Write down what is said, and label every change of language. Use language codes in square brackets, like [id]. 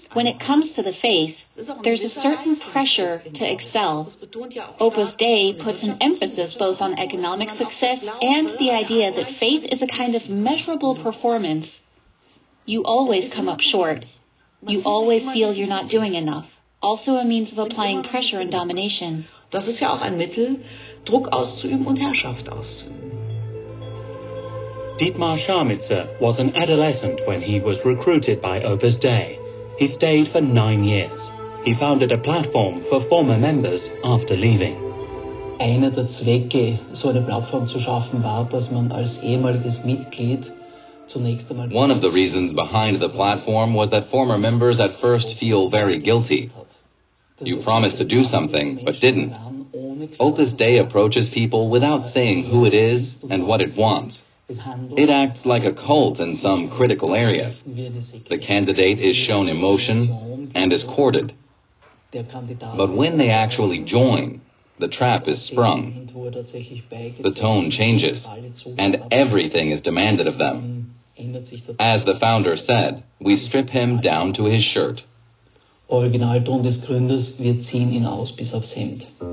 [en] When it comes to the faith, there's a certain pressure to excel. Opus Dei puts an emphasis both on economic success and the idea that faith is a kind of measurable performance. You always come up short. You always feel you're not doing enough. Also a means of applying pressure and domination. [de] Das ist ja auch ein Mittel, Druck auszuüben und Herrschaft auszuüben. [en] Dietmar Scharmitzer was an adolescent when he was recruited by Opus Dei. He stayed for 9 years. He founded a platform for former members after leaving. [de] Einer der Zwecke, so eine Plattform zu schaffen, war, dass man als ehemaliges Mitglied zunächst einmal. [en] One of the reasons behind the platform was that former members at first feel very guilty. You promised to do something, but didn't. Opus Dei approaches people without saying who it is and what it wants. It acts like a cult in some critical areas. The candidate is shown emotion and is courted. But when they actually join, the trap is sprung. The tone changes, and everything is demanded of them. As the founder said, we strip him down to his shirt. [de] Originalton des Gründers, wir ziehen ihn aus bis aufs Hemd.